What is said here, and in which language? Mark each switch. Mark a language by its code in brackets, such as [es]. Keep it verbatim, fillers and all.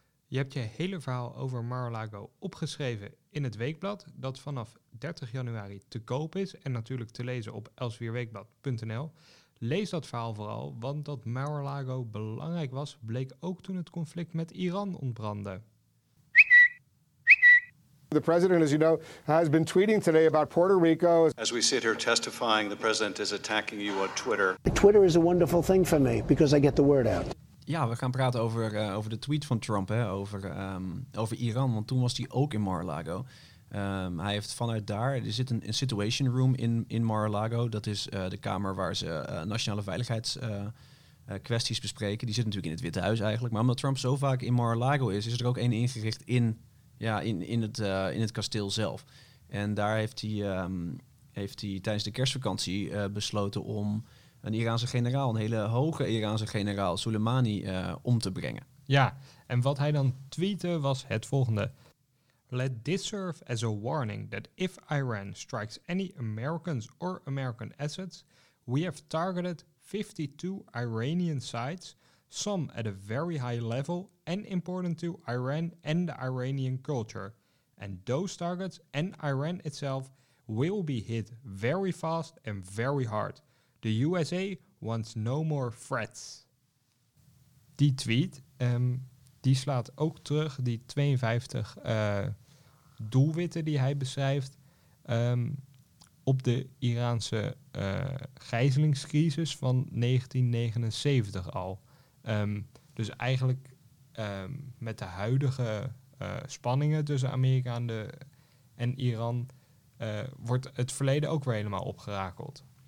[nl] Je hebt je hele verhaal over Mar-a-Lago opgeschreven in het weekblad, dat vanaf dertig januari te koop is en natuurlijk te lezen op elsevierweekblad punt n l. Lees dat verhaal vooral, want dat Mar-a-Lago belangrijk was, bleek ook toen het conflict met Iran ontbrandde. [en] The president, as you know, has been tweeting today about Puerto Rico. As we sit here testifying, the president is attacking you on Twitter. Twitter is a wonderful thing for me because I get the word out. [nl] Ja, we gaan praten over, uh, over de tweet van Trump, hè, over, um, over Iran, want toen was hij ook in Mar-a-Lago. Um, hij heeft vanuit daar, er zit een, een situation room in, in Mar-a-Lago. Dat is uh, de kamer waar ze uh, nationale veiligheidskwesties uh, uh, bespreken. Die zit natuurlijk in het Witte Huis eigenlijk. Maar omdat Trump zo vaak in Mar-a-Lago is, is er ook één ingericht in... Ja, in, in, het, uh, in het kasteel zelf. En daar heeft hij, um, heeft hij tijdens de kerstvakantie uh, besloten om een Iraanse generaal, een hele hoge Iraanse generaal, Soleimani, uh, om te brengen. Ja, en wat hij dan tweette was het volgende. [en] Let this serve as a warning that if Iran strikes any Americans or American assets, we have targeted fifty-two Iranian sites, some at a very high level and important to Iran and the Iranian culture. And those targets and Iran itself will be hit very fast and very hard. The U S A wants no more threats. [nl] Die tweet, um, die slaat ook terug, die tweeënvijftig uh, doelwitten die hij beschrijft, um, op de Iraanse uh, gijzelingscrisis van negentien negenenzeventig al. Um, dus eigenlijk um, met de huidige uh, spanningen tussen Amerika en, de, en Iran uh, wordt het verleden ook weer helemaal opgerakeld.